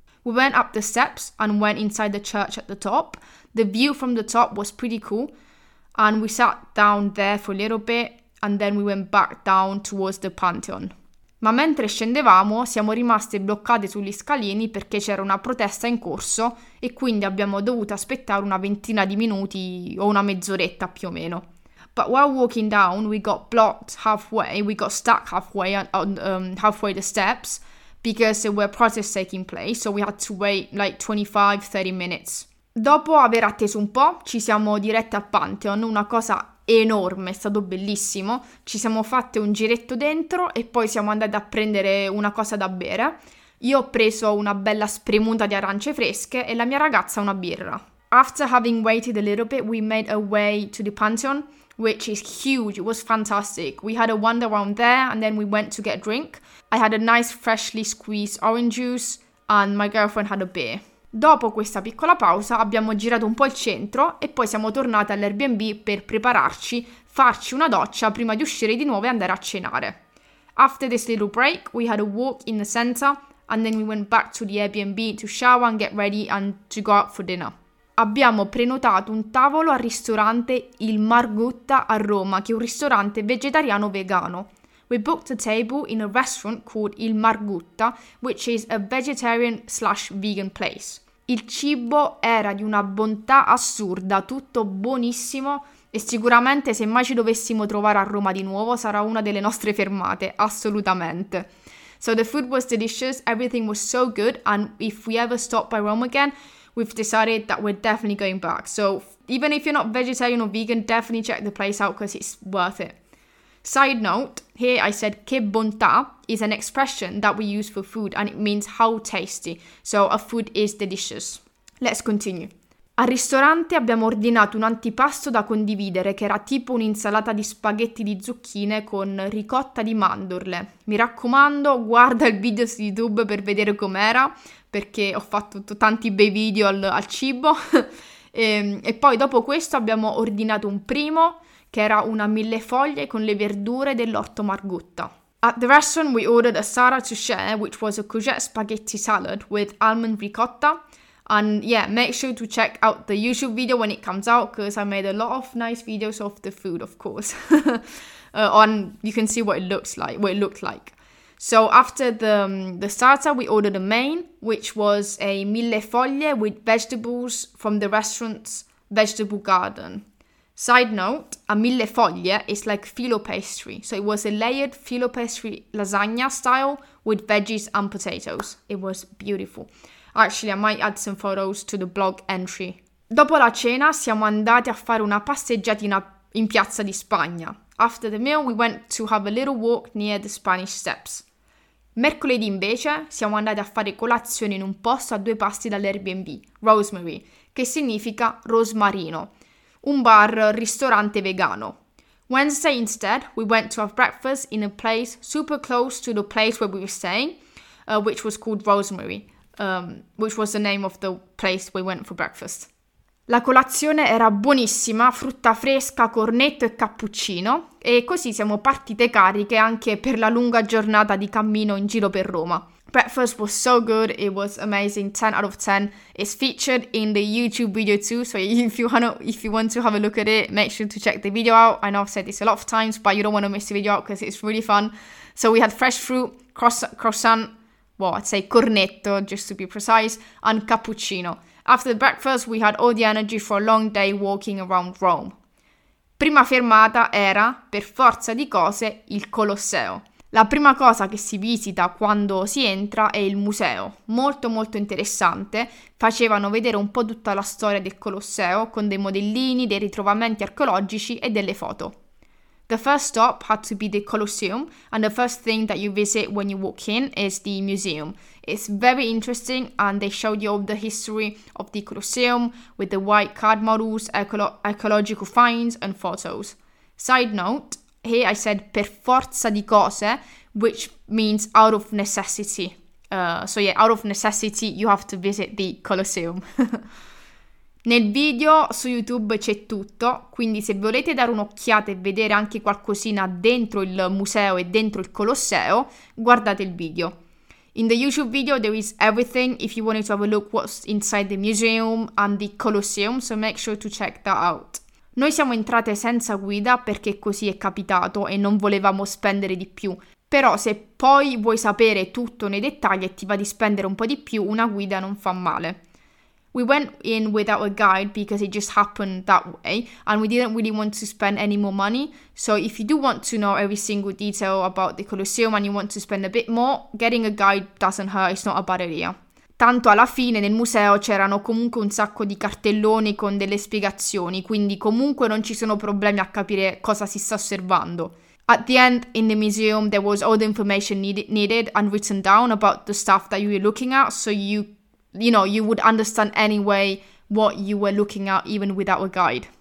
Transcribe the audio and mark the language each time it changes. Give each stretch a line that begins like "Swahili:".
English: We went up the steps and went inside the church at the top. The view from the top was pretty cool and we sat down there for a little bit and then we went back down towards the Pantheon.
Italian: Ma mentre scendevamo siamo rimaste bloccate sugli scalini perché c'era una protesta in corso e quindi abbiamo dovuto aspettare una ventina di minuti o una mezz'oretta più o meno.
English: But while walking down we got stuck halfway halfway the steps because there were protests taking place, so we had to wait like 25-30 minutes.
Italian: Dopo aver atteso un po' ci siamo dirette al Pantheon, una cosa enorme, è stato bellissimo. Ci siamo fatte un giretto dentro e poi siamo andate a prendere una cosa da bere. Io ho preso una bella spremuta di arance fresche e la mia ragazza una birra.
English: After having waited a little bit, we made our way to the Pantheon, which is huge. It was fantastic. We had a wander around there and then we went to get a drink. I had a nice freshly squeezed orange juice and my girlfriend had a beer.
Italian: Dopo questa piccola pausa abbiamo girato un po' il centro e poi siamo tornate all'Airbnb per prepararci, farci una doccia prima di uscire di nuovo e andare a cenare.
English: After this little break, we had a walk in the center and then we went back to the Airbnb to shower and get ready and to go out for dinner.
Italian: Abbiamo prenotato un tavolo al ristorante Il Margutta a Roma, che è un ristorante vegetariano vegano.
English: We booked a table in a restaurant called Il Margutta, which is a vegetarian / vegan place.
Italian: Il cibo era di una bontà assurda, tutto buonissimo, e sicuramente se mai ci dovessimo trovare a Roma di nuovo sarà una delle nostre fermate, assolutamente.
English: So the food was delicious, everything was so good, and if we ever stop by Rome again, we've decided that we're definitely going back. So even if you're not vegetarian or vegan, definitely check the place out because it's worth it. Side note, here I said
Italian: che bontà
English: is an expression that we use for food and it means how tasty. So a food is delicious. Let's continue.
Italian: Al ristorante abbiamo ordinato un antipasto da condividere che era tipo un'insalata di spaghetti di zucchine con ricotta di mandorle. Mi raccomando, guarda il video su YouTube per vedere com'era, perché ho fatto tanti bei video al cibo. E poi dopo questo abbiamo ordinato un primo, che era una millefoglie con le verdure dell'orto Margutta.
English: At the restaurant we ordered a Sara to share, which was a courgette spaghetti salad with almond ricotta. And yeah, make sure to check out the YouTube video when it comes out, because I made a lot of nice videos of the food, of course. And you can see what it looked like. So after the starter, we ordered a main, which was a millefoglie with vegetables from the restaurant's vegetable garden. Side note, a millefoglie is like filo pastry. So it was a layered filo pastry lasagna style with veggies and potatoes. It was beautiful. Actually, I might add some photos to the blog entry.
Italian: Dopo la cena, siamo andati a fare una passeggiatina in Piazza di Spagna.
English: After the meal, we went to have a little walk near the Spanish Steps.
Italian: Mercoledì invece siamo andati a fare colazione in un posto a due passi dall'Airbnb, Rosemary, che significa rosmarino, un bar ristorante vegano.
English: Wednesday instead, we went to have breakfast in a place super close to the place where we were staying, which was called Rosemary, which was the name of the place we went for breakfast.
Italian: La colazione era buonissima, frutta fresca, cornetto e cappuccino, e così siamo partite cariche anche per la lunga giornata di cammino in giro per Roma.
English: Breakfast was so good, it was amazing, 10 out of 10. It's featured in the YouTube video too, so if you want to have a look at it, make sure to check the video out. I know I've said this a lot of times, but you don't want to miss the video out because it's really fun. So we had fresh fruit, croissant, well, I'd say cornetto, just to be precise, and cappuccino. After the breakfast, we had all the energy for a long day walking around Rome.
Italian: Prima fermata era, per forza di cose, il Colosseo. La prima cosa che si visita quando si entra è il museo. Molto molto interessante, facevano vedere un po' tutta la storia del Colosseo con dei modellini, dei ritrovamenti archeologici e delle foto.
English: The first stop had to be the Colosseum, and the first thing that you visit when you walk in is the museum. It's very interesting, and they showed you all the history of the Colosseum with the white card models, archaeological finds, and photos. Side note, here I said
Italian: per forza di cose,
English: which means out of necessity. Out of necessity, you have to visit the Colosseum.
Italian: Nel video su YouTube c'è tutto, quindi se volete dare un'occhiata e vedere anche qualcosina dentro il museo e dentro il Colosseo, guardate il video.
English: In the YouTube video there is everything if you wanted to have a look what's inside the museum and the Colosseum, so make sure to check that out.
Italian: Noi siamo entrate senza guida perché così è capitato e non volevamo spendere di più. Però se poi vuoi sapere tutto nei dettagli e ti va di spendere un po' di più, una guida non fa male.
English: We went in without a guide because it just happened that way and we didn't really want to spend any more money. So if you do want to know every single detail about the Colosseum and you want to spend a bit more, getting a guide doesn't hurt, it's not a bad idea.
Italian: Tanto alla fine nel museo c'erano comunque un sacco di cartelloni con delle spiegazioni, quindi comunque non ci sono problemi a capire cosa si sta osservando.
English: At the end, in the museum, there was all the information needed and written down about the stuff that you were looking at, so you would understand anyway what you were looking at even without a guide.